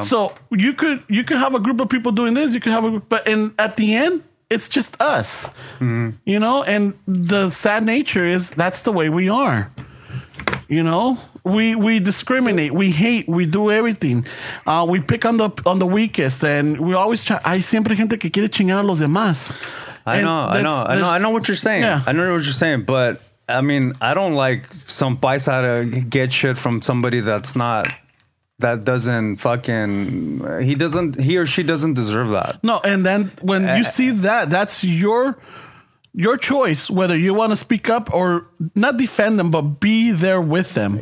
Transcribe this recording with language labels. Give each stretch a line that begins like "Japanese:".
English: So you could have a group of people doing this. You could have a group. But at the end, it's just us, you know, and the sad nature is that's the way we are. You know, we discriminate, we hate, we do everything. We pick on the weakest, and we always try.
Spanish: Hay siempre gente que quiere chingar a los demás.
English: I know what you're saying. Yeah. I know what you're saying, but I mean, I don't like some paisa to get shit from somebody that's not. That doesn't fucking, he or she doesn't deserve that. No, and then when you see that, that's your choice, whether you want to speak up or not defend them, but be there with them.